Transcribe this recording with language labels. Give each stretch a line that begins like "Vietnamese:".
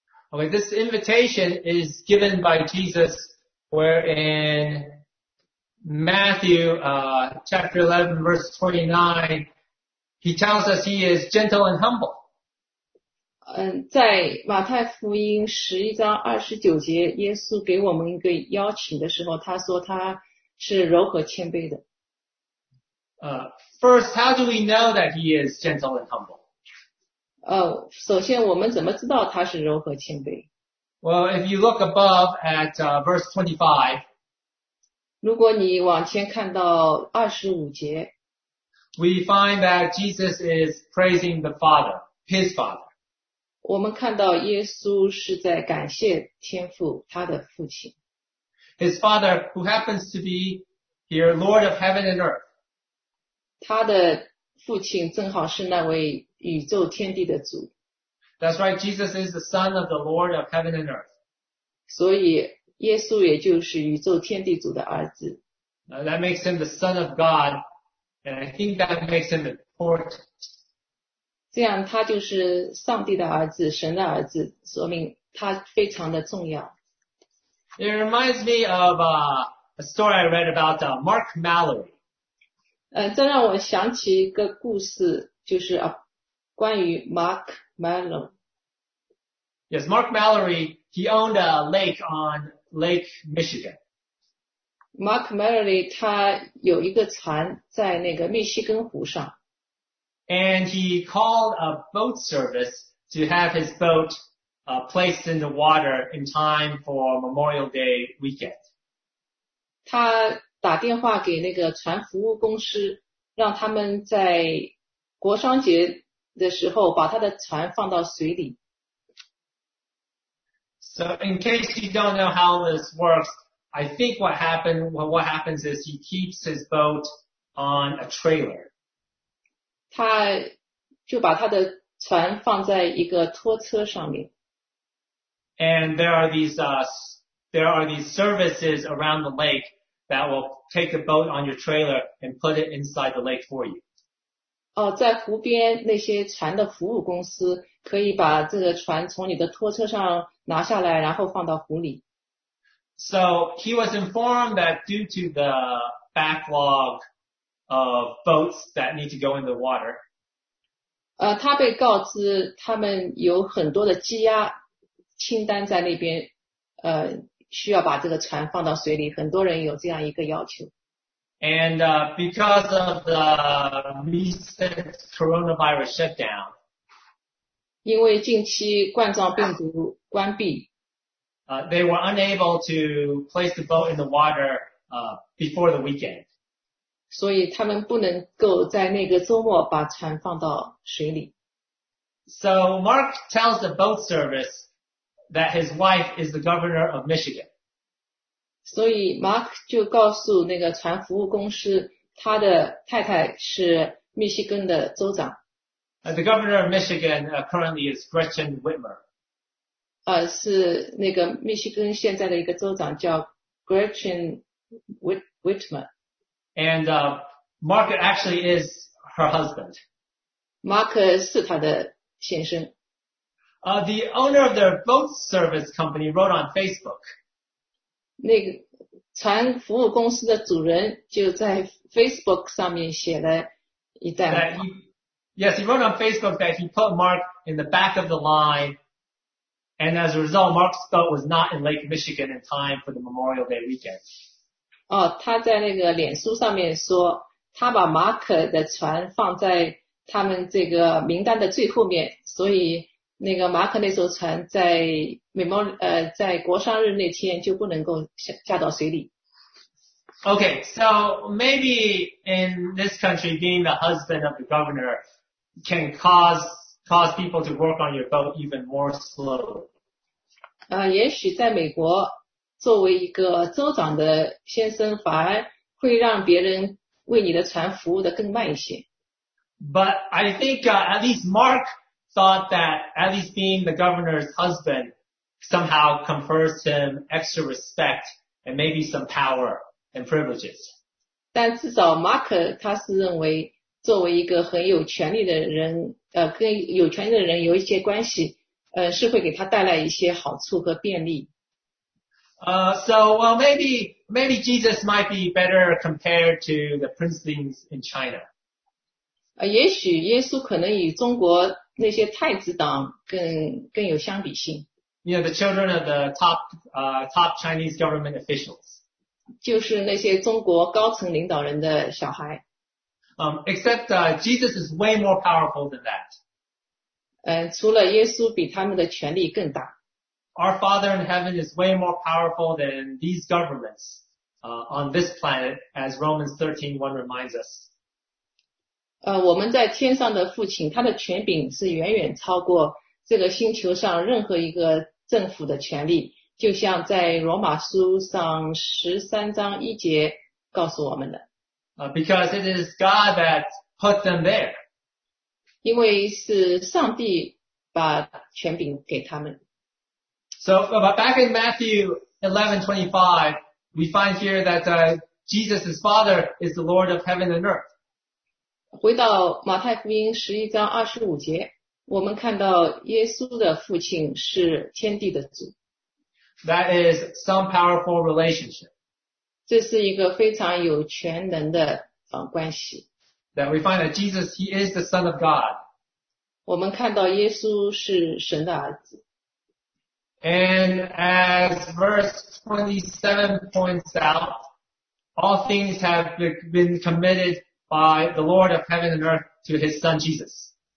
English: Okay, this invitation is given by Jesus where in Matthew, chapter 11, verse 29, he tells us he is gentle and humble.
Chinese: 在马太福音11章29节，耶稣给我们一个邀请的时候，他说他是柔和谦卑的。
English: First, how do we know that he is gentle and humble?
Chinese: 首先我们怎么知道他是柔和谦卑？
English: Well, if you look above at verse 25,
Chinese: 如果你往前看到25节，
English: we find that Jesus is praising the Father, his Father.
Chinese: 我们看到耶稣是在感谢天父，他的父亲。
English: His father, who happens to be here, Lord of heaven and earth.
Chinese: 他的父亲正好是那位宇宙天地的主。
English: That's right, Jesus is the son of the Lord of heaven and earth.
Chinese: 所以耶稣也就是宇宙天地主的儿子。
English: That makes him the son of God, and I think that makes him important.
Chinese: 这样他就是上帝的儿子，神的儿子，说明他非常的重要。
English: It reminds me of a story I read about Mark Mallory.
Chinese: 这让我想起一个故事，就是关于 Mark Mallory.
English: Yes, Mark Mallory, he owned a lake on Lake Michigan.
Chinese: Mark Mallory, 他有一个船在那个密西根湖上。
English: And he called a boat service to have his boat placed in the water in time for Memorial Day weekend.
Chinese: 他打电话给那个船服务公司，让他们在国殇节的时候把他的船放到水里。
English: So in case you don't know how this works, I think what happens is he keeps his boat on a trailer.
Chinese: 他就把他的船放在一个拖车上面。
English: And there are these services around the lake that will take the boat on your trailer and put it inside the lake for you.
Chinese: 在湖边那些船的服务公司可以把这个船从你的拖车上拿下来，然后放到湖里。
English: So he was informed that due to the backlog. Of boats that need to go in the water.
Chinese: 他被告知他们有很多的积压清单在那边，需要把这个船放到水里，很多人有这样一个要求。
English: And because of the recent coronavirus shutdown,
Chinese: 因为近期冠状病毒关闭，
English: they were unable to place the boat in the water before the weekend.
Chinese: 所以他们不能够在那个周末把船放到水里。
English: So Mark tells the boat service that his wife is the governor of Michigan.
Chinese: 所以 Mark 就告诉那个船服务公司他的太太是密西根的州长。
English: The governor of Michigan currently is Gretchen Whitmer.
Chinese: 是那个密西根现在的一个州长叫 Gretchen Whitmer。
English: And Mark actually is her husband.
Chinese: Mark 是他的先生。
English: The owner of their boat service company wrote on Facebook.
Chinese: 那个船服务公司的主人就在 Facebook 上面写了一段话。
English: Yes, he wrote on Facebook that he put Mark in the back of the line, and as a result, Mark's boat was not in Lake Michigan in time for the Memorial Day weekend.
Chinese: 哦，他在那个脸书上面说，他把 Mark 的船放在他们这个名单的最后面，所以那个 Mark 那艘船在在国殇日那天就不能够下到水里。
English: Okay, so maybe in this country, being the husband of the governor can cause people to work on your boat even more slowly.
Chinese: 也许在美国。作为一个州长的先生反而会让别人为你的船服务的更慢一些。
English: But I think at least Mark thought that at least being the governor's husband somehow confers him extra respect and maybe some power and privileges.
Chinese: 但至少 Mark 他是认为作为一个很有权力的人跟有权力的人有一些关系是会给他带来一些好处和便利。
English: So maybe Jesus might be better compared to the princelings in China.
Chinese: 也许耶稣可能与中国那些太子党更有相比性。
English: You know, the children of the top Chinese government officials.
Chinese: 就是那些中国高层领导人的小孩。
English: Except Jesus is way more powerful than that.
Chinese: 除了耶稣比他们的权力更大。
English: Our Father in heaven is way more powerful than these governments on this planet, as Romans 13:1 reminds us.
Chinese: 我们在天上的父亲，他的权柄是远远超过这个星球上任何一个政府的权力，就像在罗马书上13:1告诉我们的。
English: Because it is God that put them there.
Chinese: 因为是上帝把权柄给他们。
English: So back in Matthew 11:25, we find here that Jesus' father is the Lord of heaven and earth.
Chinese: 回到马太福音11:25，我们看到耶稣的父亲是天地的主。
English: That is some powerful relationship.
Chinese: 这是一个非常有权能的关系。
English: That we find that Jesus, he is the Son of God.
Chinese: 我们看到耶稣是神的儿子。
English: And as verse 27 points out, all things have been committed by the Lord of heaven and earth to his son Jesus.